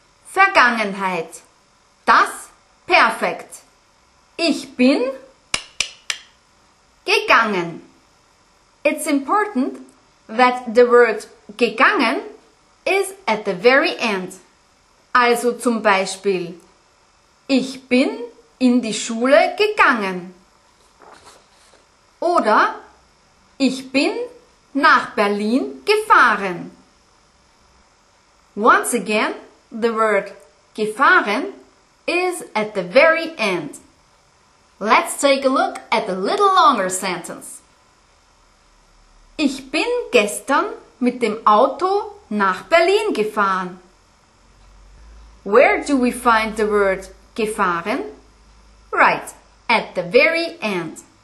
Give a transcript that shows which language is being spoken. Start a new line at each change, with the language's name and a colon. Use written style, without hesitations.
German: Vergangenheit. Das Perfekt. Ich bin gegangen.
English: It's important that the word gegangen is at the very end.
German: Also zum Beispiel, ich bin in die Schule gegangen. Oder ich bin nach Berlin gefahren.
English: Once again, the word gefahren is at the very end. Let's take a look at a little longer sentence.
German: Ich bin gestern mit dem Auto nach Berlin gefahren.
English: Where do we find the word gefahren? Right, at the very end.